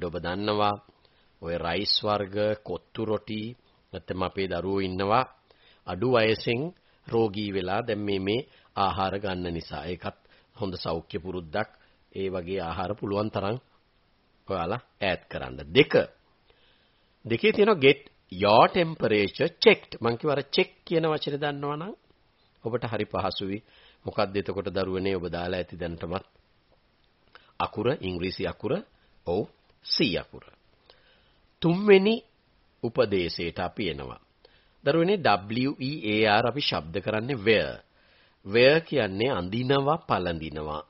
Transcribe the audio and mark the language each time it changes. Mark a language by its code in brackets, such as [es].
[si] ඔබ දන්නවා ඔය රයිස් වර්ග, කොත්තු රොටි, නැත්නම් අපේ දරුවෝ ඉන්නවා අඩු වයසෙන් රෝගී වෙලා දැන් මේ ආහාර ගන්න නිසා. ඒකත් හොඳ සෞඛ්‍ය පුරුද්දක්. ඒ වගේ ආහාර පුළුවන් තරම් ඔයාලා ඈඩ් කරන්න. දෙකේ තියෙනවා [en] get your temperature checked. [si] මං කිව්ව අර check කියන වචනේ දන්නවනම් ඔබට හරි පහසුයි. මොකද්ද එතකොට දරුවනේ ඔබ දාලා ඇති දැනටමත් අකුර? ඉංග්‍රීසි අකුර. ඔව්, C අකුර. තුන්වෙනි උපදේශයට අපි එනවා. දරුවනේ WEAR අපි ශබ්ද කරන්නේ wear. wear කියන්නේ අඳිනවා, පළඳිනවා.